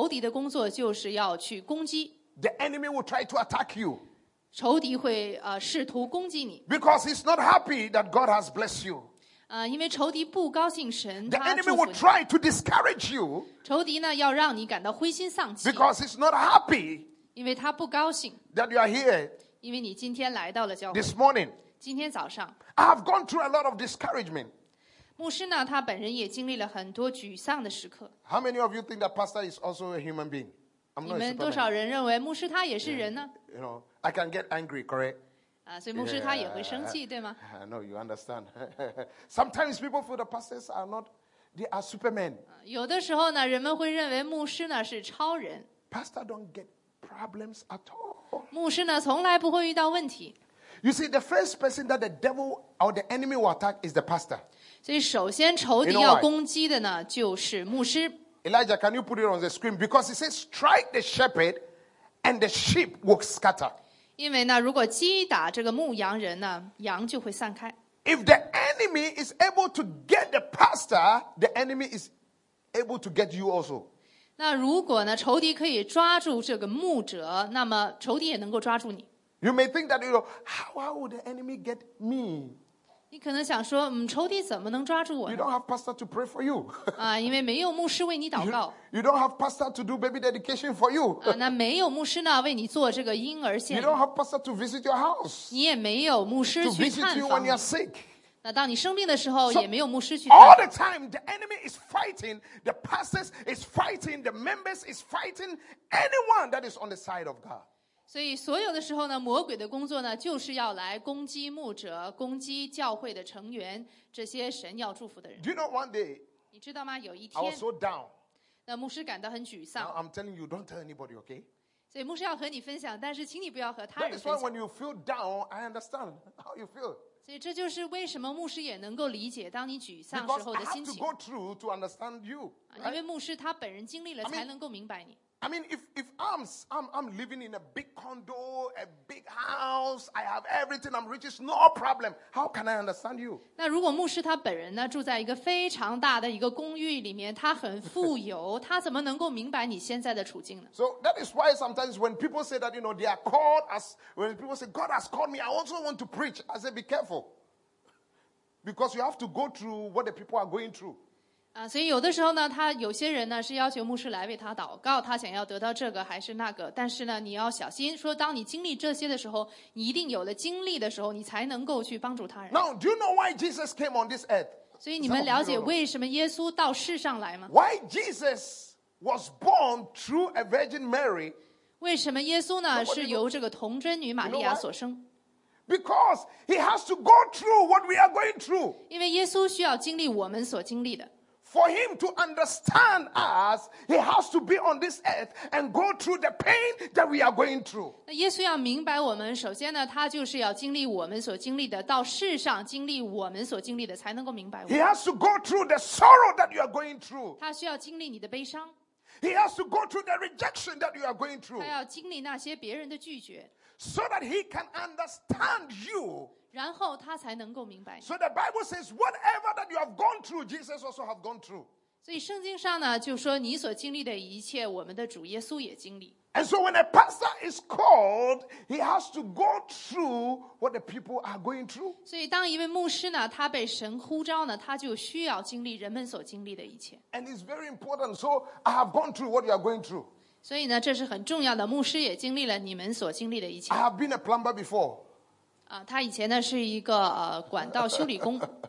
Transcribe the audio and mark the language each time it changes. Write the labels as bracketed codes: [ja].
[zh] 但是无论神为你预备了什么，仇敌的工作就是要去攻击。 [en] The enemy will try to attack you. [zh] 仇敌会试图攻击你。 [en] Because he's not happy that God has blessed you. [zh] 因为仇敌不高兴神，他祝福你。 [en] The enemy will try to discourage you. [zh] 仇敌呢，要让你感到灰心丧气。 [en] Because he's not happy. [zh] 因为他不高兴。 [en] That you are here. [zh] 因为你今天来到了教会。 [en] This morning. [zh] 今天早上。 [en] I have gone through a lot of discouragement. [zh] 牧师呢，他本人也经历了很多沮丧的时刻。 [en] How many of you think that pastor is also a human being? I'm not. [zh] 你们多少人认为牧师他也是人呢？ [en] You know, I can get angry, correct? [zh] 所以牧师他也会生气，对吗？ [en] I know you understand. Sometimes people feel the pastors are not, they are supermen. [zh] 有的时候呢，人们会认为牧师呢是超人。 [en] Pastor don't get problems at all. [zh] 牧师呢从来不会遇到问题。 [en] You see, the first person that the devil or the enemy will attack is the pastor. [zh] 所以首先仇敌要攻击的呢，就是牧师。 [en] Elijah, can you put it on the screen? Because it says, strike the shepherd and the sheep will scatter. [zh] 因为呢，如果击打这个牧羊人呢，羊就会散开。 [en] If the enemy is able to get the pastor, the enemy is able to get you also. [zh] 那如果呢，仇敌可以抓住这个牧者，那么仇敌也能够抓住你。 [en] You may think that, you know, how would the enemy get me? [zh] 你可能想说，仇敌怎么能抓住我呢？ [en] You don't have pastor to pray for you. [zh] 啊，因为没有牧师为你祷告。 [en] You don't have pastor to do baby dedication for you. [zh] 啊，那没有牧师呢，为你做这个婴儿献。 [en] You don't have pastor to visit your house. [zh] 你也没有牧师去探访。 [en] To visit you when you're sick. [zh] 那当你生病的时候，也没有牧师去。 [en] All the time, the enemy is fighting. The pastors is fighting. The members is fighting. Anyone that is on the side of God. [zh] 所以所有的时候呢，魔鬼的工作呢，就是要来攻击牧者，攻击教会的成员，这些神要祝福的人。 [en] Do you know one day, [zh] 你知道吗？有一天 [en] I was so down. [zh] 那牧师感到很沮丧。 [en] Now I'm telling you, don't tell anybody, okay? [zh] 所以牧师要和你分享，但是请你不要和他人分享。 [en] That is why when you feel down, I understand how you feel. [zh] 所以这就是为什么牧师也能够理解当你沮丧时候的心情。 [en] Because I have to go through to understand you.、Right? [zh] 因为牧师他本人经历了才能够明白你。 [en] I mean, if I'm living in a big condo, a big house, I have everything, I'm rich, it's no problem. How can I understand you? [zh] 那如果牧师他本人呢，住在一个非常大的一个公寓里面，他很富有，他怎么能够明白你现在的处境呢？ [en] So that is why sometimes when people say that, you know, they are called as, when people say, God has called me, I also want to preach. I say, be careful. Because you have to go through what the people are going through. [zh] 所以有的时候呢，他有些人呢是要求牧师来为他祷告，他想要得到这个还是那个，但是呢你要小心，说当你经历这些的时候，你一定有了经历的时候，你才能够去帮助他人。 [en] Now do you know why Jesus came on this earth? [zh] 所以你们了解为什么耶稣到世上来吗？ [en] Why Jesus was born through a Virgin Mary? [zh] 为什么耶稣呢是由这个童贞女玛利亚所生？ [en] Because he has to go through what we are going through. [zh] 因为耶稣需要经历我们所经历的。 [en] For him to understand us, he has to be on this earth and go through the pain that we are going through. [zh] 那耶稣要明白我们，首先呢，他就是要经历我们所经历的，到世上经历我们所经历的，才能够明白我们。 [en] He has to go through the sorrow that you are going through. [zh] 他需要经历你的悲伤。 [en] He has to go through the rejection that you are going through. [zh] 他要经历那些别人的拒绝。 [en] So that he can understand you. [zh] 然后他才能够明白你。 [en] So the Bible says, whatever that you have gone through, Jesus also have gone through. [zh] 所以圣经上呢，就说你所经历的一切，我们的主耶稣也经历。 [en] And so when a pastor is called, he has to go through what the people are going through. [zh] 所以当一位牧师呢，他被神呼召呢，他就需要经历人们所经历的一切。 [en] And it's very important. So I have gone through what you are going through. [zh] 所以呢，这是很重要的。牧师也经历了你们所经历的一切。 [en] I have been a plumber before. [zh] 啊，他以前呢是一个管道修理工。